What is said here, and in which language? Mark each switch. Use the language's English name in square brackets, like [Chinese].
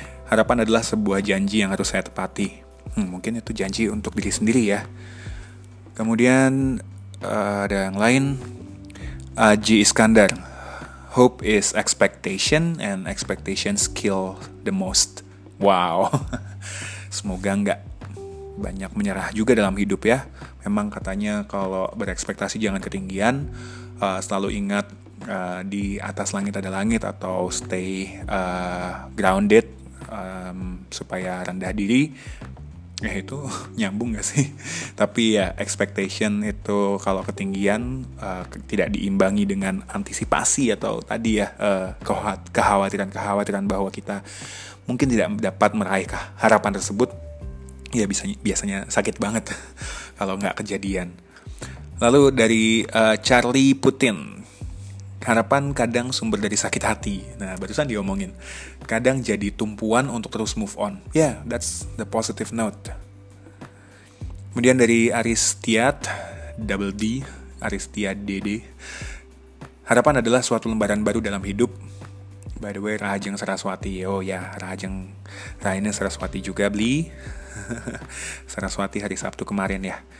[Indonesian] Harapan adalah sebuah janji yang harus saya tepati. Mungkin itu janji untuk diri sendiri ya. Kemudian ada yang lain. G. [English] Iskandar, hope is expectation and expectations kill the most. [Indonesian] Wow, semoga enggak banyak menyerah juga dalam hidup ya. Memang katanya kalau berekspektasi jangan ketinggian, selalu ingat di atas langit ada langit, atau [English] stay grounded [Indonesian] supaya rendah diri. Ya itu nyambung gak sih? Tapi ya expectation itu kalau ketinggian tidak diimbangi dengan antisipasi atau tadi ya kekhawatiran-kekhawatiran bahwa kita mungkin tidak dapat meraih harapan tersebut, ya biasanya sakit banget kalau nggak kejadian. Lalu dari Charlie Putin, harapan kadang sumber dari sakit hati. Nah, barusan diomongin, kadang jadi tumpuan untuk terus [English] move on. Yeah, that's the positive note. [Indonesian] Kemudian dari Aristiat Double D, Aristiat DD, harapan adalah suatu lembaran baru dalam hidup. [English] By the way, [Indonesian] Rahajeng Saraswati. Oh ya, Rahajeng Raina Saraswati juga beli Saraswati hari Sabtu kemarin ya.